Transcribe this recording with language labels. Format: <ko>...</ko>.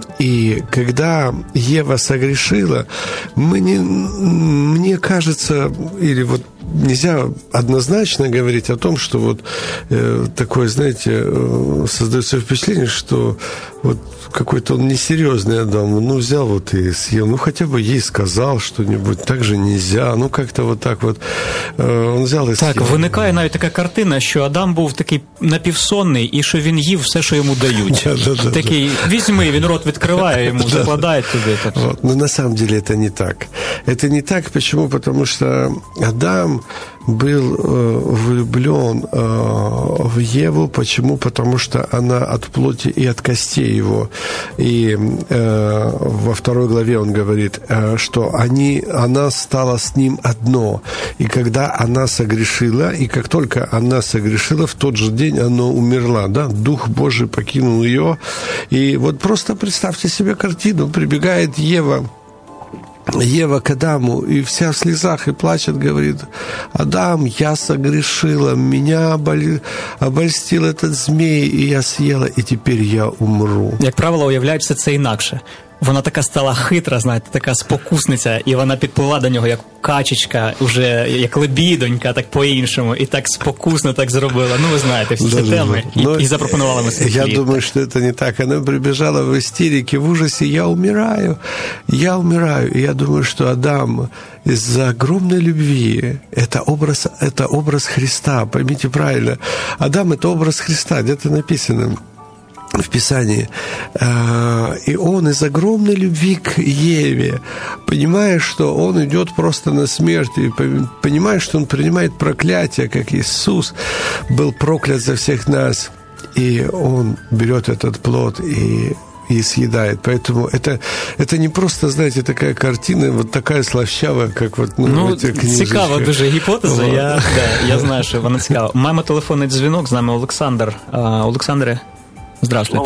<ru>И когда Ева согрешила, мне кажется, или вот нельзя однозначно говорить о том, что вот такое, знаете, создается впечатление, что вот какой-то он несерьезный Адам, ну, взял вот и съел, ну, хотя бы ей сказал что-нибудь, так же нельзя, ну, как-то вот так вот он взял и съел.</ru> <uk>Так, виникає навіть така картина, що Адам був такий напівсонний, і що він їв все, що йому дають. Такий, візьми, він рот відкриває йому, закладає туди.</uk> <ru>Ну, на самом деле, это не так. Это не так, почему? Потому что Адам был влюблен в Еву. Почему? Потому что она от плоти и от костей его. И во второй главе он говорит, что она стала с ним одно. И когда она согрешила, и как только она согрешила, в тот же день она умерла. Да? Дух Божий покинул ее. И вот просто представьте себе картину. Прибегает Ева к Адаму, и вся в слезах и плачет, говорит, Адам, я согрешила, меня обольстил этот змей, и я съела, и теперь я умру.</ru> <uk>Як правило, уявляється це інакше. Вона така стала хитра, знаєте, така спокусниця, і вона підплила до нього як качечка, уже як лебідонька, так по-іншому, і так спокусно так зробила. Ну, ви знаєте, всі ці теми. І запропонувала мені хліб. Я думаю, що це не так. Вона прибіжала в істерики, в ужасі.</uk> <ru>Я умираю.</ru> <uk>І я думаю, що Адам</uk> <ru>из-за огромной любви. Это образ Христа. Поймите правильно. Адам – это образ Христа. Где-то написано в Писании. И он из огромной любви к Еве, понимая, что он идет просто на смерть, и понимая, что он принимает проклятие, как Иисус был проклят за всех нас. И он берет этот плод и съедает. Поэтому это не просто, знаете, такая картина, вот такая слащавая, как вот в эти книжечки.</ru> <uk>Ну, цікава дуже гіпотеза. Вот. Я знаю, що вона цікава. Маємо телефонний дзвінок, з нами Олександр. Олександре, здравствуйте.</uk>